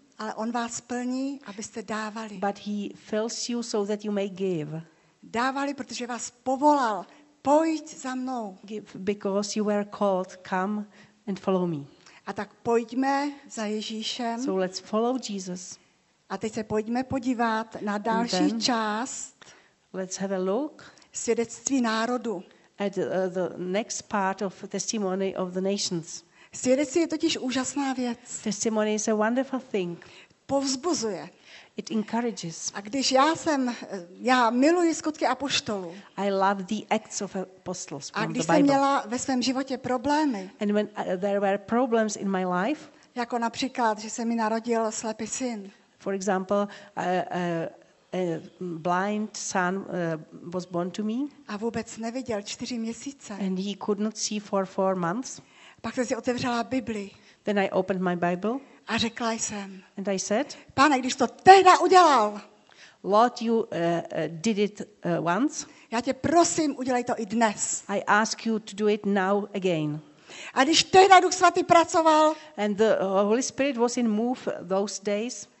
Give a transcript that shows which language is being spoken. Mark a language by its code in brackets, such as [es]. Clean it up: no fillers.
[cs] Ale on vás plní, abyste dávali. [en] But he fills you so that you may give. [cs] Dávali, protože vás povolal. Pojď za mnou. [en] Give because you were called, come and follow me. [cs] A tak pojďme za Ježíšem. [en] So let's follow Jesus. [cs] A teď se pojďme podívat na další část. [en] Let's have a look. [cs] Svědectví národu. [en] At the next part of testimony of the nations. [cs] Svědectví je totiž úžasná věc. [en] Testimony is a wonderful thing. [cs] Povzbuzuje. [en] It encourages. [cs] A když já miluji skutky apoštolů. [en] I love the acts of apostles from [cs] A když jsem měla ve svém životě problémy. [en] And when there were problems in my life. [cs] Jako například, že se mi narodil slepý syn. [en] For example, a blind son was born to me. [cs] A vůbec neviděl 4 měsíce. [en] And he could not see for 4 months. [cs] Pak jsem si otevřela Bibli. [en] Then I opened my Bible. [cs] A řekla jsem. [en] And I said. [cs] Pane, když to tehda udělal. [en] Lord, you did it once. [cs] Já tě prosím, udělej to i dnes. [en] I ask you to do it now again. [cs] A když tehda Duch Svatý pracoval. [en] And the Holy Spirit was in move those days.